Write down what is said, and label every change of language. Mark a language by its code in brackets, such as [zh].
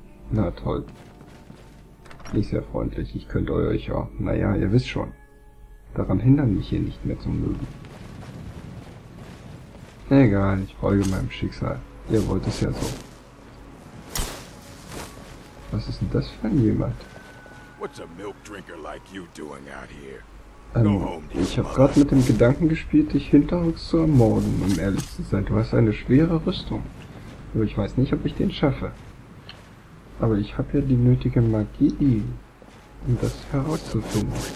[de] Na toll. Nicht sehr freundlich. Ich könnte euch ja. Naja, ihr wisst schon. Daran hindern mich hier nicht mehr zum mögen. Egal, ich folge meinem Schicksal. Ihr wollt es ja so. Was ist denn das für ein jemand? [en] What's a milk drinker like you doing out here? [de] Ich habe gerade mit dem Gedanken gespielt, dich hinterrücks zu ermorden, um ehrlich zu sein. Du hast eine schwere Rüstung. Aber ich weiß nicht, ob ich den schaffe. Aber ich habe ja die nötige Magie, um das herauszufinden.